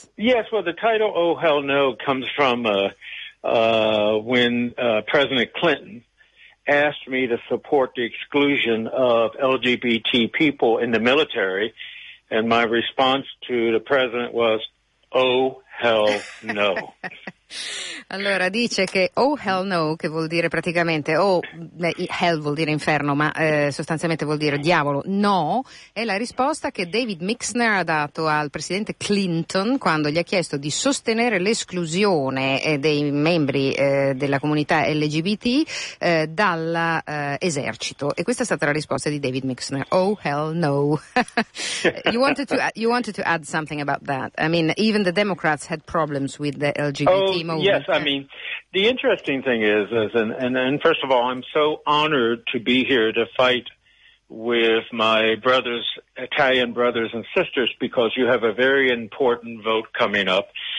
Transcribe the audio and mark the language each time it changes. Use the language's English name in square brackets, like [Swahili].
[English] Yes, well, the title Oh Hell No comes from when President Clinton asked me to support the exclusion of LGBT people in the military, and my response to the president was, oh, hell no. [Italian] Allora dice che oh hell no, che vuol dire praticamente hell vuol dire inferno, ma sostanzialmente vuol dire diavolo, no, è la risposta che David Mixner ha dato al presidente Clinton quando gli ha chiesto di sostenere l'esclusione dei membri della comunità LGBT dall'esercito, e questa è stata la risposta di David Mixner. [English] Oh hell no. you wanted to add something about that. I mean, even the Democrats had problems with the LGBT. Oh. Yes, I mean, the interesting thing is, and first of all, I'm so honored to be here to fight with my brothers, Italian brothers and sisters, because you have a very important vote coming up.